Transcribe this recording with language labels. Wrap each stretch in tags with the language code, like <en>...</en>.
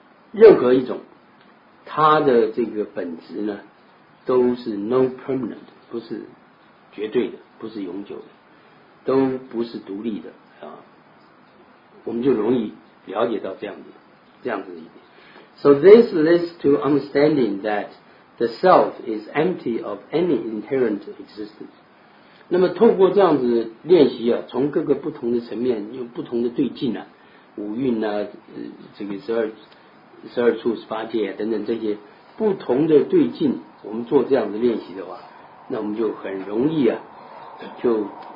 <zh>任何一种，它的这个本质呢都是</zh> <en>no permanent，</en> <zh>不是绝对的，不是永久的，都不是独立的啊。我们就容易了解到这样子的一点。</zh> <en>So this leads to understanding that the self is empty of any inherent existence。</en> <zh>那么透过这样子练习啊，从各个不同的层面用不同的对境啊，五蕴啊，这个十二处十八界、啊、等等这些不同的对境，我们做这样的练习的话，那我们就很容易啊就</zh>